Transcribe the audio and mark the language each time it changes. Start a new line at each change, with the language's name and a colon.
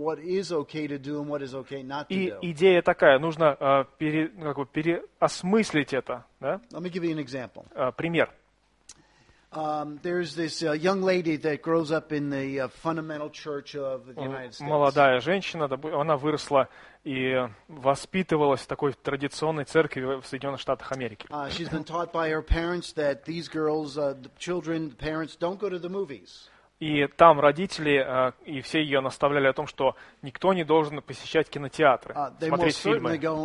Russian: И идея такая, нужно переосмыслить это. Да?
English: Let me give you an example.
Russian: Пример.
English: There's this young lady that grows up in the fundamental church of the United States.
Russian: Молодая женщина, она выросла и воспитывалась в такой традиционной церкви в Соединенных Штатах Америки.
English: She's been taught by her parents that these girls, the children, the parents don't go to the movies.
Russian: И там родители и все ее наставляли о том, что никто не должен посещать кинотеатры, смотреть фильмы.